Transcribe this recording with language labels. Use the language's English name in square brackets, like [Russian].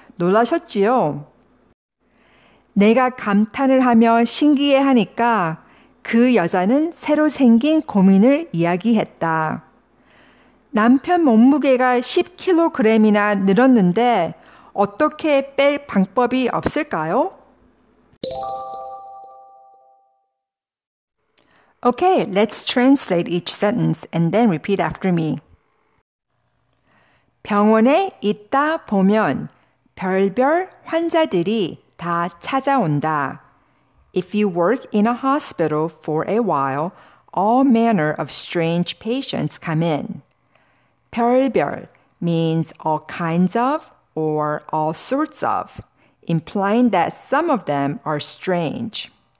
[Korean] 놀라셨지요? 내가 감탄을 하며 신기해하니까 그 여자는 새로 생긴 고민을 이야기했다. 남편 몸무게가 10kg이나 늘었는데 어떻게 뺄 방법이 없을까요? [English] Okay, let's translate each sentence and then repeat after me. [Korean] 병원에 있다 보면 별별 환자들이 다 찾아온다. [English] If you work in a hospital for a while, all manner of strange patients come in. 별별 means all kinds of or all sorts of, implying that some of them are strange.